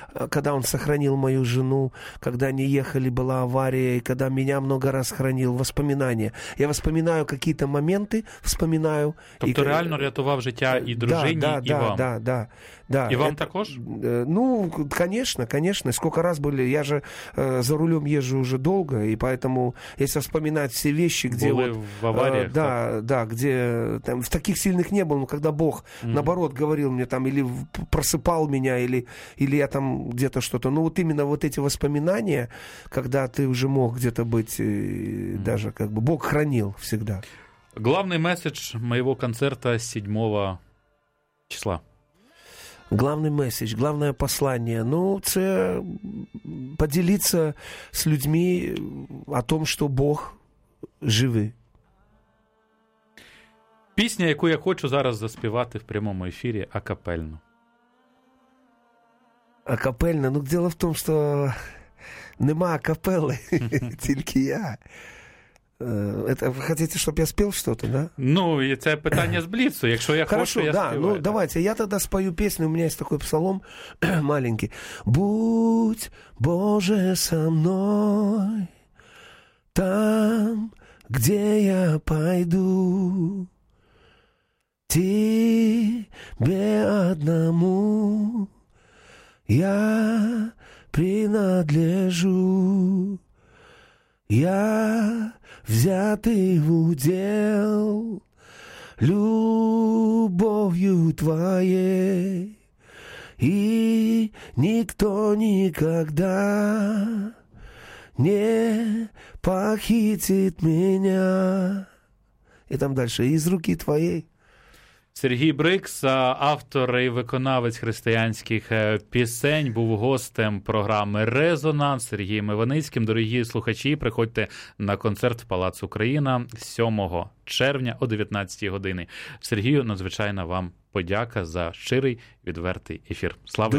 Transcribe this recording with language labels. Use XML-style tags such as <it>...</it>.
<ru>когда он сохранил мою жену, когда они ехали, была авария, и когда меня много раз хранил, воспоминания. Я воспоминаю какие-то моменты, вспоминаю.</ru> <uk>Тобто и, реально рятував життя и дружині,</uk> <ru>да, и вам.</ru> <uk>И вам також?</uk> <ru>Ну, конечно, конечно. Сколько раз были, я же за рулем езжу уже долго, и поэтому, если вспоминать все вещи, где были вот... в авариях. Где там, в таких сильных не было, но когда Бог, наоборот, говорил мне там, или просыпал меня, или я там где-то что-то. Ну, вот именно вот эти воспоминания, когда ты уже мог где-то быть, даже как бы Бог хранил всегда. Главный месседж моего концерта 7 числа. Главный месседж, главное послание. Ну, це поделиться с людьми о том, что Бог живый.</ru> <uk>Пісня, яку я хочу зараз заспівати в прямому ефірі, акапельно. Акапельно? Ну, діло в тому, що нема акапели, тільки я. Это, ви хочете, щоб я спів щось, да? Ну, і це питання з бліцу. Якщо я</uk> <ru>хорошо,</ru> <uk>хочу, я співаю. Ну, давайте, я тоді спою пісню, у мене є такий псалом маленький.</uk> <ru>Будь, Боже, со мною, там, где я пойду, Тебе одному я принадлежу, я взятый в удел любовью твоей, и никто никогда не похитит меня. И там дальше, из руки твоей.</ru> <uk>Сергій Брикс, автор і виконавець християнських пісень, був гостем програми «Резонанс» Сергієм Іваницьким. Дорогі слухачі, приходьте на концерт в Палац Україна 7 червня о 19 годині. Сергію, надзвичайна вам подяка за щирий, відвертий ефір. Слава</uk>